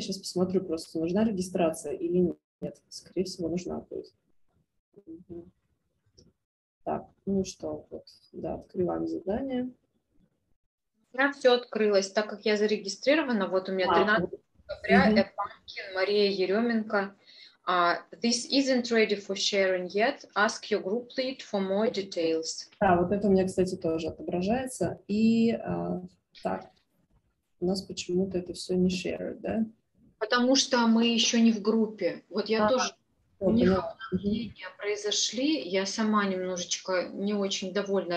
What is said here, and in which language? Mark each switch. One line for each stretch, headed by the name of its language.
Russian: Сейчас посмотрю просто, нужна регистрация или нет. Скорее всего, нужна будет. Так, ну что, вот, да, открываем задание. У меня все открылось, так как я зарегистрирована. Вот у меня 13 декабря, Эпанкин, Мария Еременко.
English: This isn't ready for sharing yet. Ask your group lead for more details.
Russian: Да, вот это у меня, кстати, тоже отображается. И так, у нас почему-то это все не shared, да? Потому что мы еще не в группе. Вот я тоже... Обновления произошли, я сама немножечко не очень довольна.